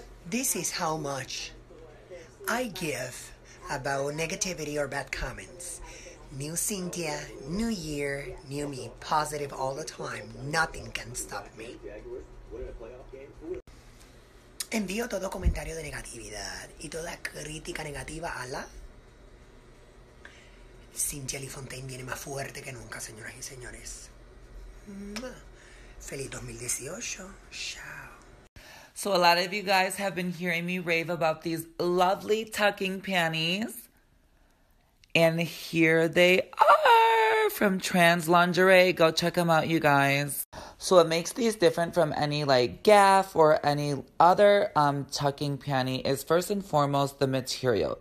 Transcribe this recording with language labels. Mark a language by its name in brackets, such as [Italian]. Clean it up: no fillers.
[English] This is how much I give about negativity or bad comments. New Cynthia, new year, new me, positive all the time. Nothing can stop me. [Spanish] Envío todo comentario de negatividad y toda crítica negativa a la Cynthia Lee Fontaine viene más fuerte que nunca, señoras y señores. Feliz 2018. Chao. [English] So a lot of you guys have been hearing me rave about these lovely tucking panties. And here they are from Trans Lingerie. Go check them out, you guys. So what makes these different from any like Gaff or any other tucking panty is first and foremost the material.